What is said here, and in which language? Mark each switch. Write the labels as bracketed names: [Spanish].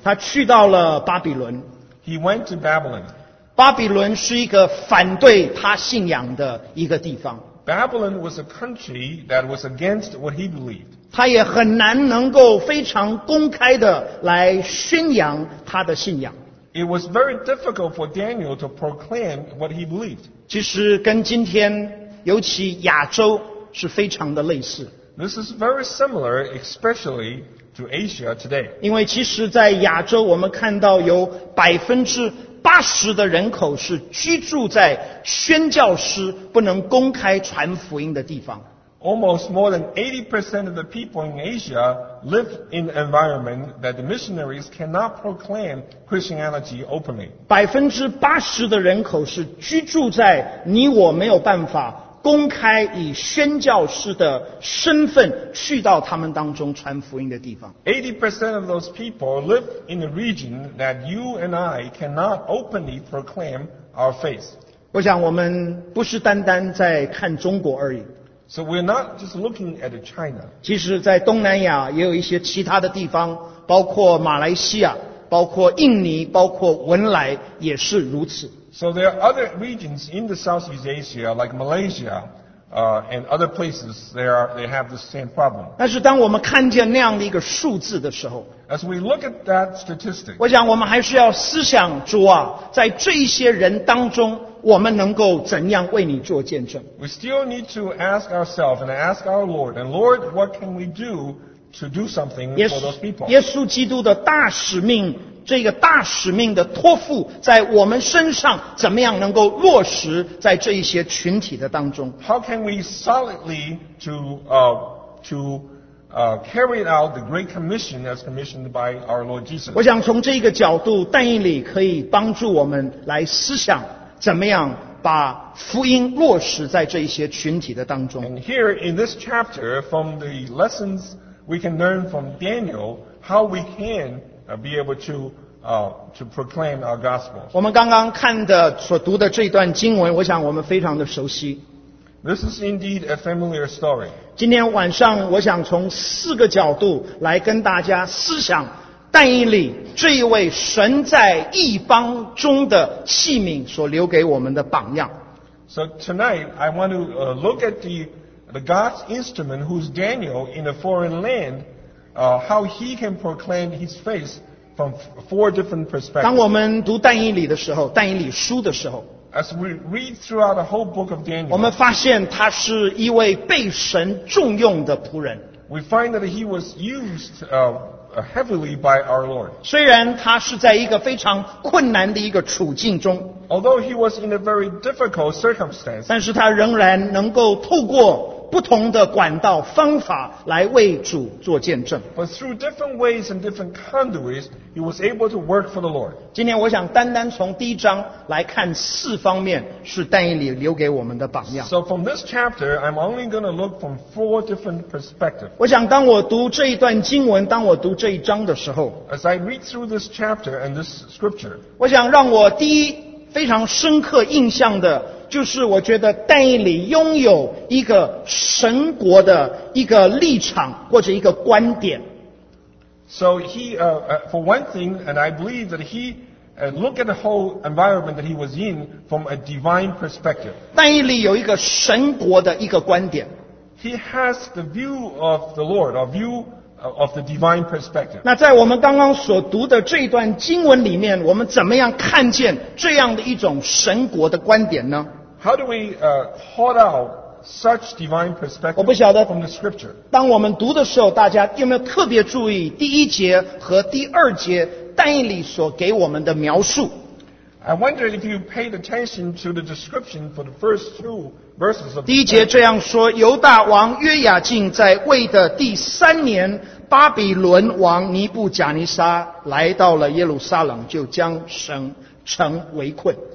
[Chinese] 他去到了巴比伦。 [English] He went to Babylon. [Chinese] 巴比伦是一个反对他信仰的一个地方。 [English] Babylon was a country that was against what he believed. [Chinese] 他也很难能够非常公开的来宣扬他的信仰。 [English] It was very difficult for Daniel to proclaim what he believed. [Chinese] 其实跟今天尤其亚洲是非常的类似。 [English] This is very similar, especially to Asia today. [Chinese] 因为其实在亚洲我们看到有80%的人口是居住在宣教师不能公开传福音的地方。 [English] Almost more than 80% of the people in Asia live in an environment that the missionaries cannot proclaim Christianity openly. [Chinese] 80%的人口是居住在你我没有办法公开以宣教师的身份去到他们当中传福音的地方。 [English] 80% of those people live in a region that you and I cannot openly proclaim our faith. [Chinese] 我想我们不是单单在看中国而已。 [English] So we're not just looking at China. [Chinese] 其实在东南亚也有一些其他的地方，包括马来西亚，包括印尼，包括文莱也是如此。 [English] So there are other regions in the Southeast Asia, like Malaysia, and other places, they have the same problem. [Chinese] 但是当我们看见那样的一个数字的时候， [English] As we look at that statistic, [Chinese] 我想我们还是要思想主啊，在这些人当中我们能够怎样为你做见证？ [English] We still need to ask ourselves and ask our Lord, and Lord, what can we do to do something for those people? [Chinese] 耶稣基督的大使命，这个大使命的托付在我们身上，怎么样能够落实在这一些群体的当中？ [English] How can we solidly carry out the great commission as commissioned by our Lord Jesus? [Chinese] 我想从这个角度，但以理可以帮助我们来思想。怎么样把福音落实在这一些群体的当中？ [English] And here in this chapter, from the lessons we can learn from Daniel, how we can be able to proclaim our gospel. [Chinese] 我们刚刚看的所读的这段经文，我想我们非常的熟悉。 [English] This is indeed a familiar story. [Chinese] 今天晚上我想从四个角度来跟大家思想但以理这一位神在异邦中的器皿所留给我们的榜样。 [English] So tonight I want to look at the God's instrument, who's Daniel in a foreign land, how he can proclaim his faith from four different perspectives. [Chinese] 当我们读但以理的时候，但以理书的时候 [English] ，As we read throughout the whole book of Daniel, [Chinese] 我们发现他是一位被神重用的仆人。 [English] We find that he was used. Heavily by our Lord. [Chinese] 虽然他是在一个非常困难的一个处境中， [English] although he was in a very difficult circumstance, [Chinese] 但是他仍然能够透过不同的管道方法来为主做见证。 [English] But through different ways and different conduits, he was able to work for the Lord. [Chinese] 今天我想单单从第一章来看四方面是但以理留给我们的榜样。 [English] So from this chapter, I'm only going to look from four different perspectives. [Chinese] 我想当我读这一段经文，当我读这一章的时候， [English] As I read through this chapter and this scripture, [Chinese] 我想让我第一非常深刻印象的就是我觉得但以理拥有一个神国的一个立场或者一个观点。 [English] So he, for one thing, and I believe that he looked at the whole environment that he was in from a divine perspective. [Chinese] 但以理有一个神国的一个观点。 [English] He has the view of the Lord, or view of the divine perspective. [Chinese] 那在我们刚刚所读的这一段经文里面，我们怎么样看见这样的一种神国的观点呢？ [English] How do we call out such divine perspective? [Chinese] 我不晓得 [English] from the scripture. [Chinese] 当我们读的时候，大家有没有特别注意第一节和第二节但以理所给我们的描述？ [English] I wonder if you paid attention to the description for the first two verses of. [Chinese] 第一节这样说：犹大王约雅敬在位的第三年，巴比伦王尼布甲尼撒来到了耶路撒冷，就将城围困。